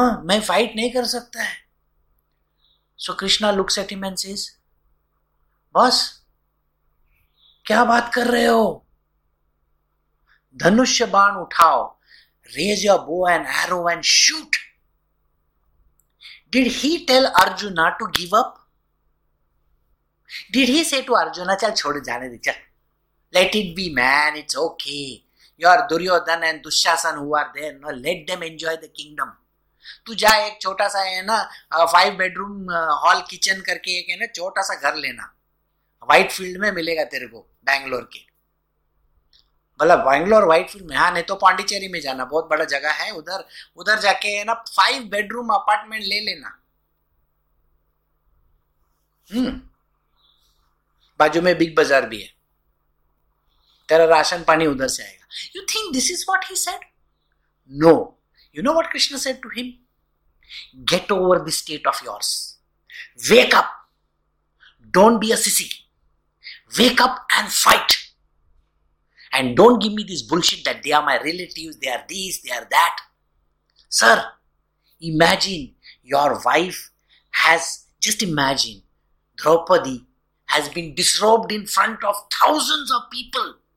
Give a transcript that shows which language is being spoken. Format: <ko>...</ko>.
<hi>Main fight nahi kar sakta hai.</hi> <en>So Krishna looks at him and says,</en> <hi>बस क्या बात कर रहे हो धनुष बाण उठाओ</hi> <en>raise your bow and arrow and shoot. Did he tell Arjuna to give up? Did he say to Arjuna,</en> <hi>चल छोड़ जाने दे चल,</hi> <en>let it be man, it's okay. You are Duryodhan and Dushyasan who are there, no, let them enjoy the kingdom.</en> <hi>तू जा एक छोटा सा है ना 5-bedroom hall kitchen करके एक है ना छोटा सा घर लेना व्हाइट फील्ड में मिलेगा तेरे को बैंगलोर के भला बैंगलोर व्हाइट फील्ड में हाँ नहीं तो पांडिचेरी में जाना बहुत बड़ा जगह है उधर उधर जाके है ना 5-bedroom अपार्टमेंट ले लेना बाजू में बिग बाजार भी है तेरा राशन पानी उधर से आएगा</hi> <en>You think this is what he said no you know what Krishna said to him get over this state of yours wake up don't be a sissy Wake up and fight. And don't give me this bullshit that they are my relatives, they are these, they are that. Sir, imagine your wife has, just imagine, Draupadi has been disrobed in front of thousands of people.</en>